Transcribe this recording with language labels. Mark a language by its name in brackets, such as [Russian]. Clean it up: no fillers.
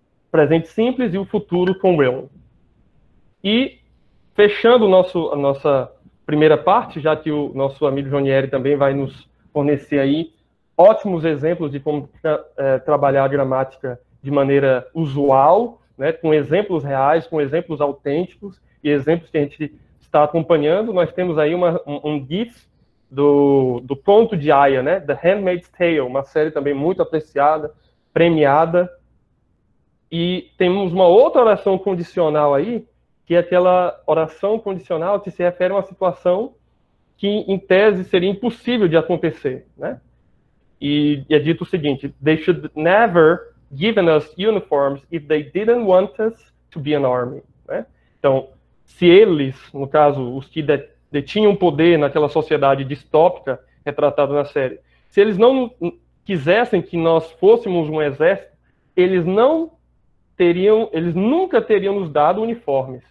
[Portuguese] Presente simples e o futuro com eu. E, fechando a nossa primeira parte, já que o nosso amigo Jonieri também vai nos fornecer aí ótimos exemplos de como trabalhar a gramática de maneira usual, né, com exemplos reais, com exemplos autênticos e exemplos que a gente está acompanhando, nós temos aí um GIF do Conto de Aia, né, The Handmaid's Tale, uma série também muito apreciada, premiada. E temos uma outra oração condicional aí, que é aquela oração condicional que se refere a uma situação que, em tese, seria impossível de acontecer. Né? [English] E é dito o seguinte, they should never given us uniforms if they didn't want us to be an army. [Portuguese] Né? Então, se eles, no caso, os que detinham poder naquela sociedade distópica retratada na série, se eles não quisessem que nós fôssemos um exército, eles nunca teriam nos dado uniformes.